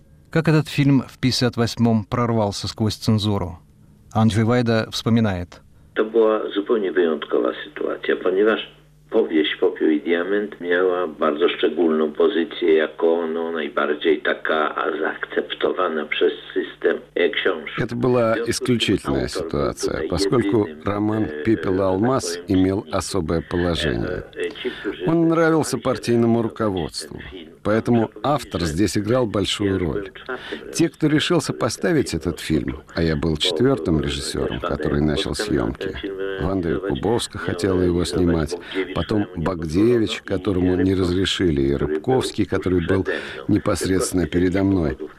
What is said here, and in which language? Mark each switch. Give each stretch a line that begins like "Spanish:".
Russian: Как этот фильм в 58-м прорвался сквозь цензуру? Andrzej Wajda вспоминает.
Polish: To była zupełnie wyjątkowa sytuacja, ponieważ powieść Popiół i Diament miała bardzo szczególną pozycję jako no, najbardziej taka zaakceptowana przez system książki.
Russian: Это была исключительная ситуация, поскольку роман «Пепел и алмаз» имел особое положение. Он нравился партийному руководству. Поэтому автор здесь играл большую роль. Те, кто решился поставить этот фильм, а я был четвертым режиссером, который начал съемки, Ванда Якубовска хотела его снимать, потом Багдевич, которому не разрешили, и Рыбковский, который был непосредственно передо мной.